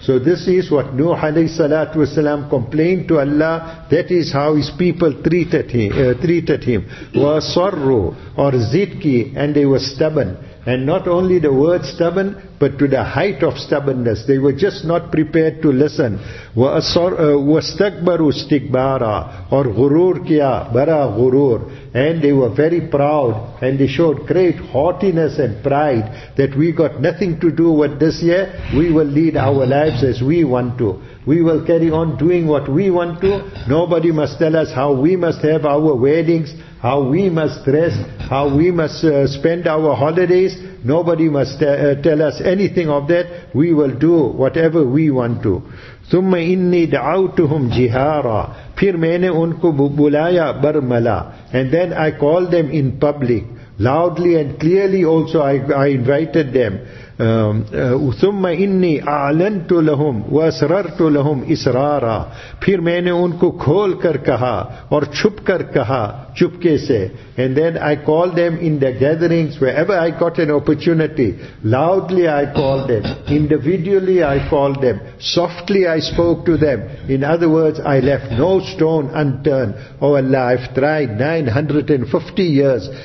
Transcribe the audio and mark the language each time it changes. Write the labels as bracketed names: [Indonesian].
[English] So this is what Nuh alayhi salatu wasalam complained to Allah, that is how his people treated him. [Arabic] وَصَرُّ [English] or zidki, and they were stubborn. And not only the word stubborn, but to the height of stubbornness. They were just not prepared to listen. [Arabic] وَاسْتَكْبَرُوا اسْتِكْبَارًا [Urdu] or غُرُورْ kiya, bara غُرُور. [English] And they were very proud, and they showed great haughtiness and pride, that we got nothing to do with this year. We will lead our lives as we want to. We will carry on doing what we want to. Nobody must tell us how we must have our weddings, how we must dress, how we must spend our holidays. Nobody must tell us anything of that. We will do whatever we want to. [Arabic] ثُمَّ إِنِّي دَعَوْتُهُمْ جِهَارًا [Urdu] پھر میں نے ان کو بلایا برملا. [English] And then I called them in public. Loudly and clearly also I invited them. [Arabic] ثُمَّ إِنِّي أَعْلَنْتُ لَهُمْ وَأَسْرَرْتُ لَهُمْ إِسْرَارًا [Urdu] پھر میں نے ان کو کھول کر کہا اور چھپ کر کہا چھپکے سے. [English] And then I called them in the gatherings, wherever I got an opportunity. Loudly I called them, individually I called them, softly I spoke to them. In other words, I left no stone unturned. Oh Allah, I've tried 950 years.